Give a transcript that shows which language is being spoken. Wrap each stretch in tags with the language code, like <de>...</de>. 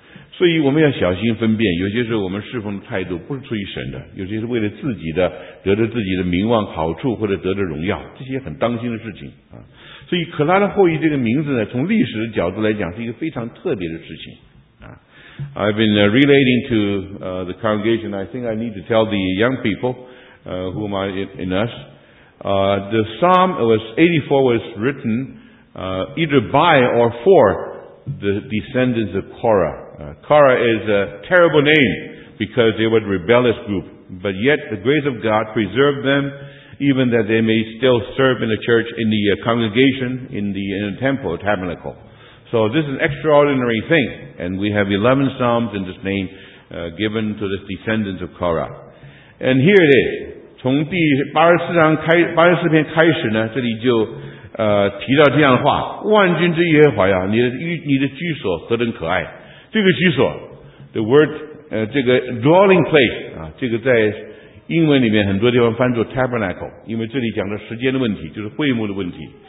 <zh>所以我们要小心分辨，有些时候我们侍奉的态度不是出于神的，有些是为了自己的，得着自己的名望好处或者得着荣耀，这些很当心的事情啊。所以可拉的后裔这个名字呢，从历史的角度来讲是一个非常特别的事情啊。</zh> <en>I've been relating to the congregation. I think I need to tell the young people whom are in us. The Psalm was 84 was written either by or for the descendants of Korah. Korah is a terrible name because they were a rebellious group, but yet the grace of God preserved them, even that they may still serve in the church, in the congregation, in the temple, tabernacle. So this is an extraordinary thing, and we have 11 psalms in this name given to the descendants of Korah. And here it is.</en> <zh>从第84篇开始呢，这里就提到这样的话，万军之耶和华呀，你的居所何等可爱。这个居所</zh> <en>the word</en> <zh>这个</zh> <en>dwelling place</en> <zh>啊，这个在英文里面很多地方翻作 tabernacle， 因为这里讲的时间的问题，就是会幕的问题。</zh>